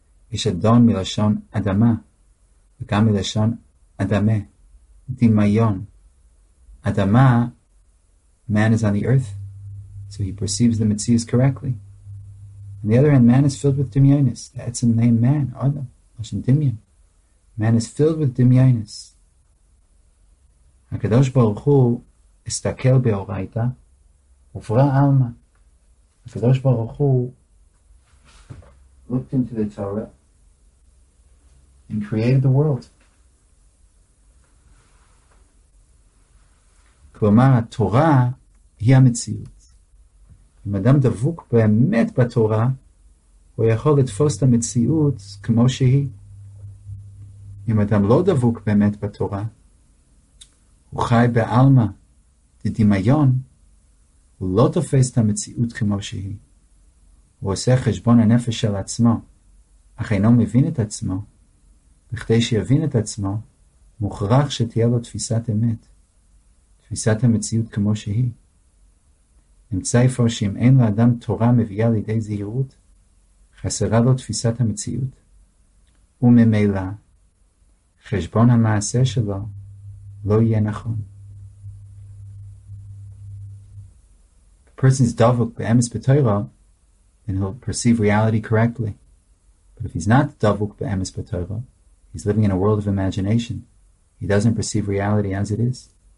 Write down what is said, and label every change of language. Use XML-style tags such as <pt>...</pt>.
<he>יש אדון מלשון אדמה, וגם מלשון אדמה, דמיון.</he> <en>אדמה, man is on the earth, so he perceives the מציאות correctly. On the other hand, man is filled with דמיונס, that's the name man,</en> <he>אדם, לשון דמיון.</he> <en>Man is filled with דמיונס.</en> <he>הקדוש ברוך הוא הסתכל באורייתא, וברא עלמא.</he> <en>הקדוש ברוך הוא looked into the Torah and created the world.</en> <he>כלומר, התורה היא המציאות. אם אדם דבוק באמת בתורה, הוא יכול לתפוס את המציאות כמו שהיא. אם אדם לא דבוק באמת בתורה, הוא חי באלמה, בדמיון, הוא לא תופס את המציאות כמו שהיא. הוא עושה חשבון הנפש של עצמו, אך אינו מבין את עצמו. בכדי שיבין את עצמו, מוכרח שתהיה לו תפיסת אמת, תפיסת המציאות כמו שהיא. נמצא איפה שאם אין לאדם תורה מביאה לידי זהירות, חסרה לו תפיסת המציאות. וממילא, חשבון המעשה שלו לא יהיה נכון.</he> <en>Person's dovuk be'emes b'toira, then he'll perceive reality correctly. But if he's not dovuk be'emes b'toira, he's living in a world of imagination. He doesn't perceive reality as it is.</en>